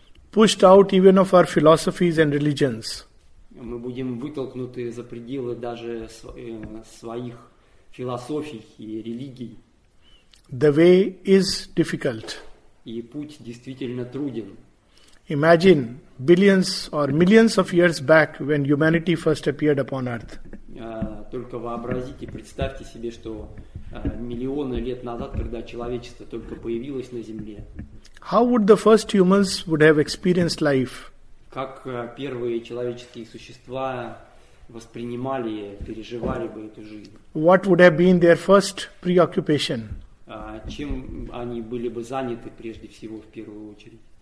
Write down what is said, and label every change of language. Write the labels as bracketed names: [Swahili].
[English] Pushed out even of our philosophies and religions. [Russian] Мы будем вытолкнуты за пределы даже своих философий и религий. [English] The way is difficult. [Russian] И путь действительно труден. [English] Imagine billions or millions of years back when humanity first appeared upon earth. [Russian] Только вообразите, представьте себе, что миллионы лет назад, когда человечество только появилось на Земле. [English] How would the first humans would have experienced life? [Russian] Как первые человеческие существа воспринимали, переживали бы эту жизнь? [English] What would have been their first preoccupation? [Russian] Чем они были бы заняты прежде всего в первую очередь?